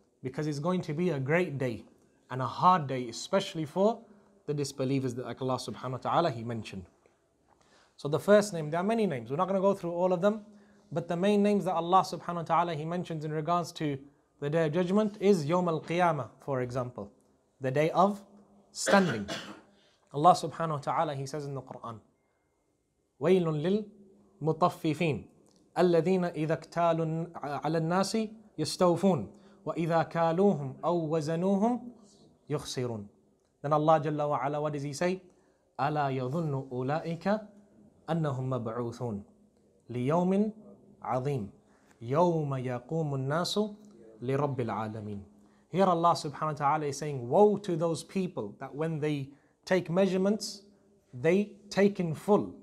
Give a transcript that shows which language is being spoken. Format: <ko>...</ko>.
<en>Because it's going to be a great day, and a hard day, especially for the disbelievers that like Allah subhanahu wa ta'ala, He mentioned. So the first name, there are many names, we're not going to go through all of them, but the main names that Allah subhanahu wa ta'ala, He mentions in regards to the Day of Judgment is Yawm Al-Qiyamah, for example. The day of standing. Allah subhanahu wa ta'ala, He says in the Quran,</en> <ar>وَيْلٌ لِلْمُطَفِّفِينَ الَّذِينَ إِذَا اكْتَالُوا عَلَى النَّاسِ يَسْتَوْفُونَ وَإِذَا كَالُوهُمْ أَوْ وَزَنُوهُمْ يُخْسِرُونَ.</ar> <en>Then Allah Jalla wa Ala, what does He say?</en> <ar>أَلَا يَظُنُّ أُولَئِكَ أَنَّهُمْ مَبْعُوثُونَ لِيَوْمٍ عَظِيمٍ يَوْمَ يَقُومُ النَّاسُ لِرَبِّ الْعَالَمِينَ.</ar> <en>Here Allah subhanahu wa ta'ala is saying, woe to those people that when they take measurements, they take in full.</en>